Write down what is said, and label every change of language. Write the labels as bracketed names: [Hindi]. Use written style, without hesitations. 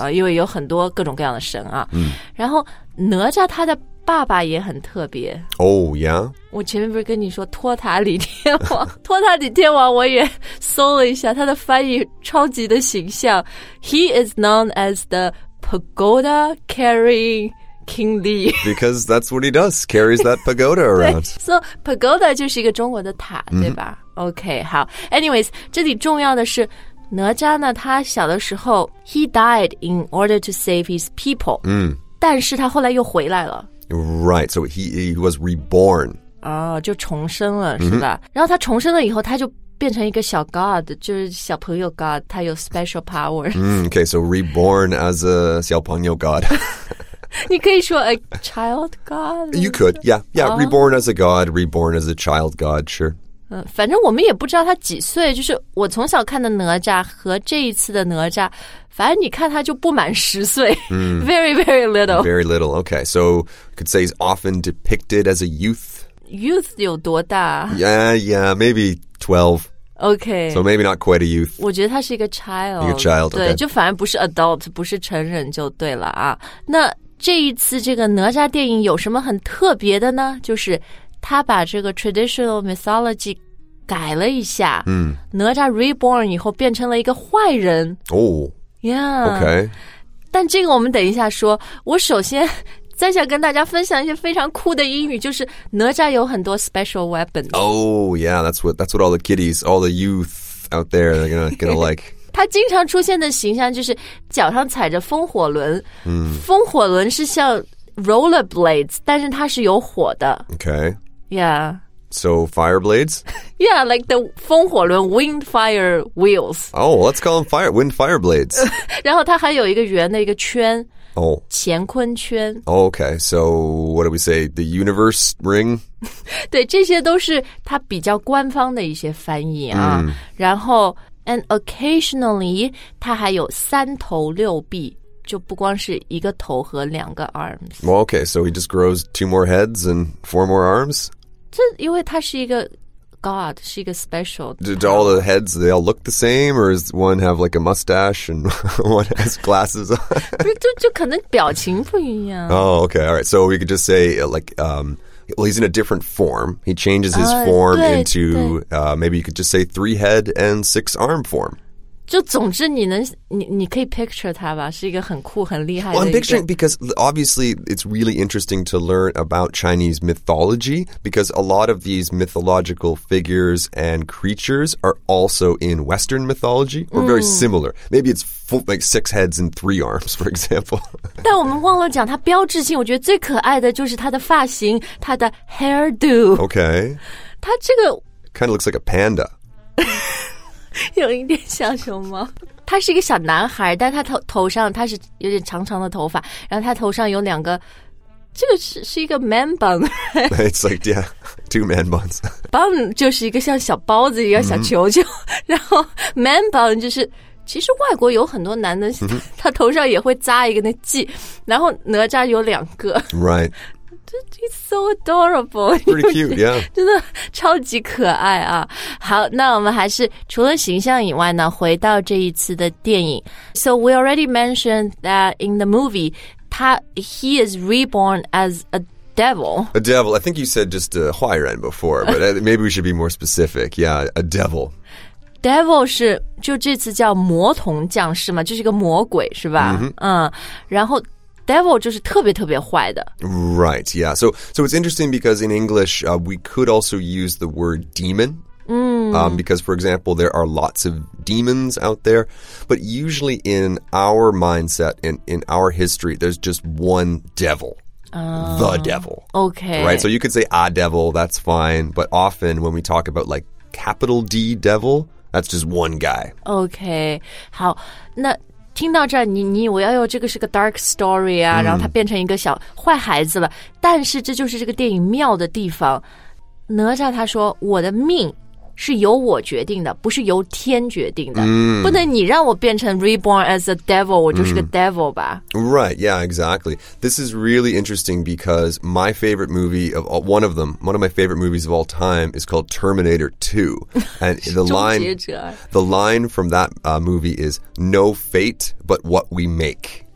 [Chinese] 啊，因为有很多各种各样的神啊。嗯、然后哪吒他的爸爸也很特别。 [English] Oh yeah！ [Chinese] 我前面不是跟你说托塔李天王？托塔李天王我也搜了一下，他的翻译超级的形象。 [English] He is known as the pagoda carrying. King Lee. Because that's what he does, carries that pagoda around. [Chinese] So pagoda 就是一个中国的塔、mm-hmm. 对吧 OK 好 Anyways 这里重要的是哪吒呢他小的时候 [English] He died in order to save his people、 mm. [Chinese] 但是他后来又回来了 [English] Right, so he was reborn [Chinese] 哦、oh, 就重生了、mm-hmm. 是吧然后他重生了以后他就变成一个小 god 就是小朋友 god 他有 [English] special powers、 mm, OK, so reborn as a 小朋友 god [Chinese] 你可以说 [English] a child god? You could, yeah. Yeah,、oh. reborn as a god, reborn as a child god, sure.、 [Chinese] 反正我们也不知道他几岁就是我从小看的哪吒和这一次的哪吒反正你看他就不满十岁、 mm. [English] Very, very little. Very little, okay. So, could say he's often depicted as a youth. Youth 有多大 Yeah, maybe 12. Okay. So maybe not quite a youth. [Chinese] 我觉得他是一个 child. [English] A child, [Chinese] 对、 [English] okay. [Chinese] 就反正不是 adult, 不是成人就对了啊。那这一次这个哪吒电影有什么很特别的呢？就是他把这个 [English] traditional mythology [Chinese] 改了一下。嗯，哪吒 reborn 以后变成了一个坏人。哦 [English] ，Yeah，OK、 okay.。 [Chinese] 但这个我们等一下说。我首先再想跟大家分享一些非常酷的英语，就是哪吒有很多 [English] special weapons。 Oh yeah, that's what all the kiddies, all the youth out there are gonna like. [Chinese] 他经常出现的形象就是脚上踩着风火轮、嗯、风火轮是像 [English] roller blades [Chinese] 但是它是有火的 [English] okay yeah so fire blades yeah like the 风火轮 wind fire wheels oh let's call them fire wind fire blades [Chinese] 然后它还有一个圆的一个圈 oh 乾坤圈 [English] oh, okay so what do we say the universe ring [Chinese] 对这些都是它比较官方的一些翻译啊、嗯、然后 [English] And occasionally, [Chinese] 它还有三头六臂，就不光是一个头和两个 arms. [English] Well, okay, so he just grows two more heads and four more arms? [Chinese] 这因为它是一个 God 是一个 special. [English] Do all the heads, they all look the same? Or does one have like a mustache and one has glasses on? [Chinese] 就可能表情不一样。 [English] Oh, okay, all right. So we could just say like... Well, he's in a different form. He changes his form into, maybe you could just say three head and six arm form. [Chinese] 就总之你能 你可以 picture 他吧，是一个很酷很厉害的一个。 [English] Well, I'm picturing because obviously it's really interesting to learn about Chinese mythology because a lot of these mythological figures and creatures are also in Western mythology or very similar. Maybe it's full, like six heads and three arms, for example. [Chinese] 但我们忘了讲他标志性，我觉得最可爱的就是他的发型，他的 hairdo. [English] Okay. [Chinese] 他这个 [English] kind of looks like a panda. [Chinese] 有一点像熊猫。他是一个小男孩，但他 头上他是有点长长的头发，然后他头上有两个，这个 是一个 [English] man bun. [Chinese] It's like, yeah, two man buns. Bun 就是一个像小包子一样小球球、mm-hmm. 然后 [English] man bun [Chinese] 就是其实外国有很多男的、mm-hmm. 他头上也会扎一个那髻，然后哪吒有两个。 [English] Right. He's so adorable. Pretty cute, yeah. [Chinese] 真的超级可爱啊。好，那我们还是除了形象以外呢，回到这一次的电影。 [English] So we already mentioned that in the movie, he is reborn as a devil. A devil. I think you said just a 坏人 before, but maybe we should be more specific. Yeah, a devil. [Chinese] Devil 是就这次叫魔童降世嘛，就是一个魔鬼是吧、 mm-hmm. 然后 Devil 就是特别特别坏的。 [English] Right, yeah. So it's interesting because in English、we could also use the word demon、because for example there are lots of demons out there. But usually in our mindset and in our history there's just one devil、the devil. Okay. Right, so you could say a devil, that's fine. But often when we talk about like capital D devilThat's just one guy. Okay. [Chinese] 好，那听到这儿，你以为哎呦，这个是个 [English] dark story [Chinese] 啊，然后他变成一个小坏孩子了。但是这就是这个电影妙的地方。哪吒他说，我的命是由我决定的，不是由天决定的。不能你让我变成 [English] reborn as a devil, [Chinese] 我就是个 devil 吧。 [English] Right, yeah, exactly. This is really interesting because my favorite movie of all, one of them, one of my favorite movies of all time is called Terminator 2. And the line from that、movie is, no fate, but what we make.